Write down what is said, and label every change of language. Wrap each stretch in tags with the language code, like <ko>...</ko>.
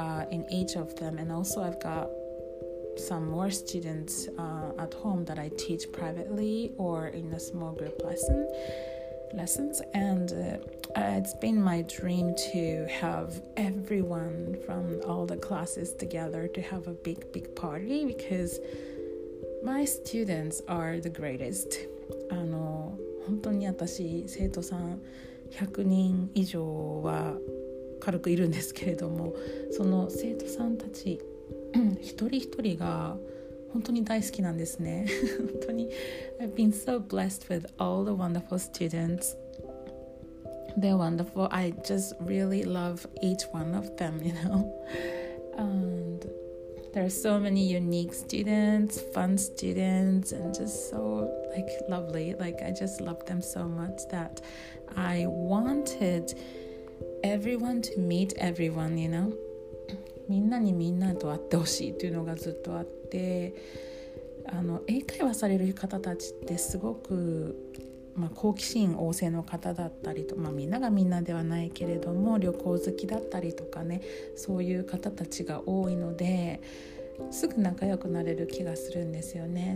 <en>in each of them, and also I've got some more students at home that I teach privately or in a small group lessons, and it's been my dream to have everyone from all the classes together to have a big party, because my students are the greatest.</en> <ja>本当に私生徒さん100人以上は軽くいるんですけれども、その生徒さんたち一人一人が本当に大好きなんですね。本当に</ja> <en>I've been so blessed with all the wonderful students. They're wonderful. I just really love each one of them, you know. And there are so many unique students, fun students, and just so like lovely. Like I just love them so much that I wanted everyone to meet everyone, you know.</en> <ja>みんなにみんなと会ってほしいというのがずっとあって、で英会話される方たちってすごく、まあ、好奇心旺盛の方だったりと、まあ、みんながみんなではないけれども旅行好きだったりとかね、そういう方たちが多いのですぐ仲良くなれる気がするんですよね。</ja>